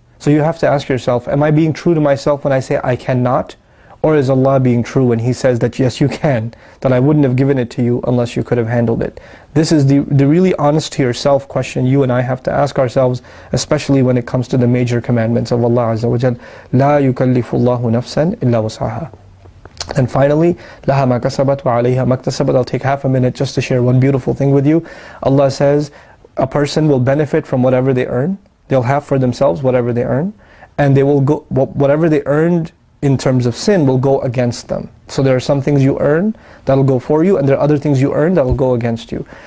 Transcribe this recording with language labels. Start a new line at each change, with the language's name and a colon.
English: So you have to ask yourself, am I being true to myself when I say I cannot? Or is Allah being true when He says that yes, you can, that I wouldn't have given it to you unless you could have handled it? This is the really honest to yourself question you and I have to ask ourselves, especially when it comes to the major commandments of Allah Azza wa Jal.
Arabic: لَا يُكَلِّفُ اللَّهُ نَفْسًا إِلَّا وَسْعَهَا.
English: And finally,
Arabic: لَهَا مَا كَسَبَتْ وَعَلَيْهَا مَا اكْتَسَبَتْ.
English: I'll take half a minute just to share one beautiful thing with you. Allah says, a person will benefit from whatever they earn. They'll have for themselves whatever they earn. And they will go, whatever they earned in terms of sin will go against them. So there are some things you earn that'll go for you, and there are other things you earn that'll go against you.